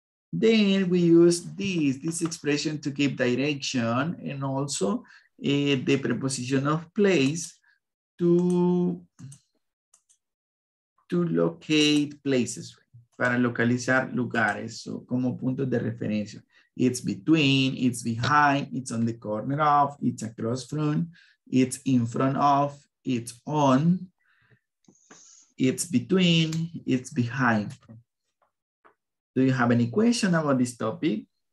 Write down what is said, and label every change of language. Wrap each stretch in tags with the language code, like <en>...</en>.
<en>Then we use this expression to give direction and also the preposition of place to locate places.</en> <es>Para localizar lugares, so como puntos de referencia.</es> <en>It's between, it's behind, it's on the corner of, it's across from, it's in front of, it's on, it's between, it's behind. Do you have any question about this topic?</en>